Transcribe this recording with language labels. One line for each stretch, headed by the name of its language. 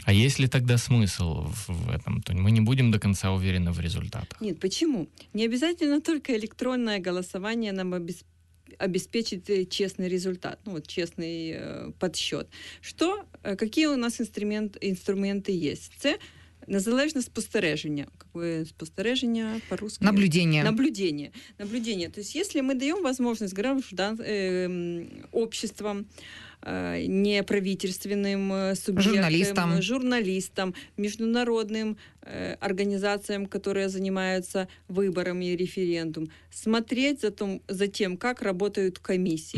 Russian: А есть ли тогда смысл в этом? То мы не будем до конца уверены в результатах. Нет, почему? Не обязательно только электронное голосование нам обеспечит честный результат, ну вот честный подсчет. Что, какие у нас инструменты есть?
Ukrainian: Це незалежне спостереження.
Russian: Какое спостереження по-русски? Наблюдение. Наблюдение. Наблюдение. То есть если мы даем возможность граждан, обществам, неправительственным субъектам, журналистам, международным организациям, которые занимаются выборами и референдумом, смотреть за тем, как работают комиссии.